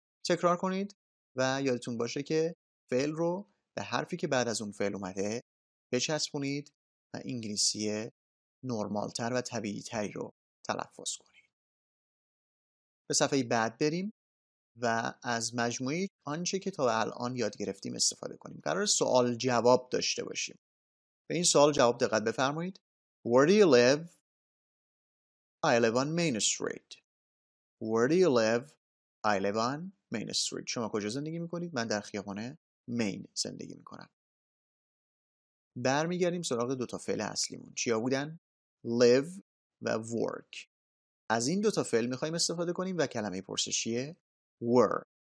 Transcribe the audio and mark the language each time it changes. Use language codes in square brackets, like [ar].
[fa] تکرار کنید و یادتون باشه که فعل رو به حرفی که بعد از اون فعل اومده بچسبونید و انگلیسیه نرمال تر و طبیعی تری رو تلفظ کنید. به صفحه بعد بریم و از مجموعه آنچه که تا الان یاد گرفتیم استفاده کنیم. قرار سوال جواب داشته باشیم. به این سوال جواب دقت بفرمایید. [en] Where do you live? I live on Main Street. Where do you live? I live on Main Street. [fa] شما کجا زندگی میکنید؟ من در خیابان مین زندگی میکنم. برمیگردیم سراغ دوتا فعل اصلیمون. چیا بودن؟ live و work. از این دوتا فعل میخواییم استفاده کنیم و کلمه پرسشیه were.